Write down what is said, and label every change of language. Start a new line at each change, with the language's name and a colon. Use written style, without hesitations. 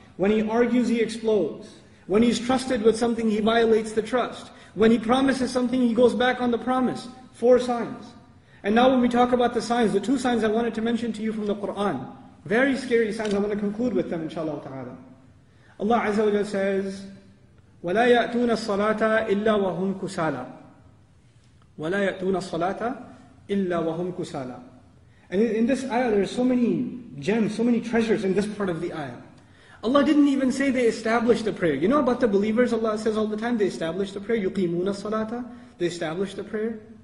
English: When he argues, he explodes. When he's trusted with something, he violates the trust. When he promises something, he goes back on the promise. Four signs. And now when we talk about the signs, the two signs I wanted to mention to you from the Qur'an. Very scary signs, I want to conclude with them, inshallah ta'ala. Allah Azza wa Jalla says,
Arabic: وَلَا يَأْتُونَ الصَّلَاةَ إِلَّا وَهُمْ كُسَالَى. وَلَا يَأْتُونَ الصَّلَاةَ إِلَّا وَهُمْ كُسَالَى.
English: And in this ayah, there are so many gems, so many treasures in this part of the ayah. Allah didn't even say they established the prayer. You know about the believers, Allah says all the time, they established the prayer.
Arabic: يُقِيمُونَ الصَّلَاةَ.
English: They established the prayer.